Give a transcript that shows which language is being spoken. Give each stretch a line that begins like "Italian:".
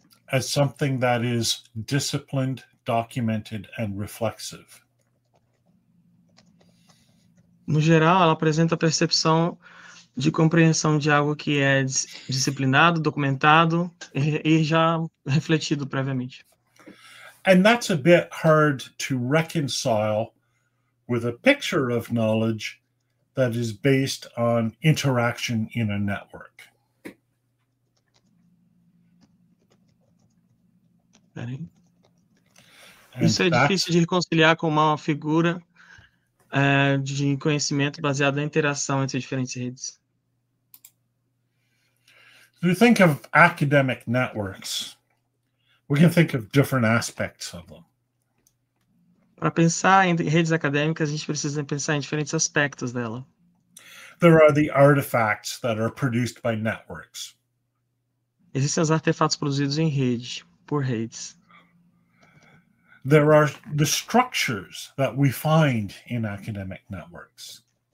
English: As something that is disciplined, documented, and reflexive.
Portuguese: No geral, ela apresenta a percepção de compreensão de algo que é disciplinado, documentado e já refletido previamente.
English: And that's a bit hard to reconcile with a picture of knowledge that is based on interaction in a network. And
Portuguese: Isso é
English: that's.
Portuguese: difícil de reconciliar com uma figura. De conhecimento baseado na interação entre diferentes redes.
English: We think of academic networks. We can think of different aspects of them.
Portuguese: Para pensar em redes acadêmicas, a gente precisa pensar em diferentes aspectos dela.
English: There are the artifacts that are produced by networks.
Portuguese: Existem os artefatos produzidos em rede, por redes.
English: There are the structures that we find in academic networks.